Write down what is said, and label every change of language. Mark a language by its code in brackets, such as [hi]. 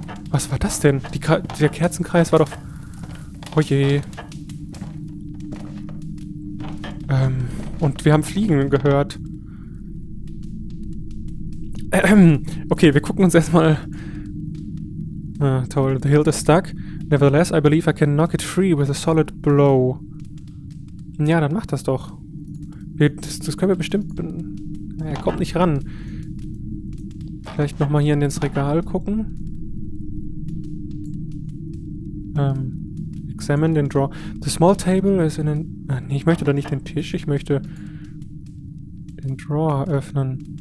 [de] Was war das denn? Der Kerzenkreis war doch... Oh je. Verdammt, wir haben Fliegen gehört. Okay, wir gucken uns erstmal. [en] Toll, the hilt is stuck. Nevertheless, I believe I can knock it free with a solid blow. [de] Ja, dann mach das doch. Das können wir bestimmt. Er kommt nicht ran. Vielleicht nochmal hier in das Regal gucken. Examine den Draw. [en] The small table is in an. [de] Nee, ich möchte da nicht den Tisch, ich möchte den Drawer öffnen.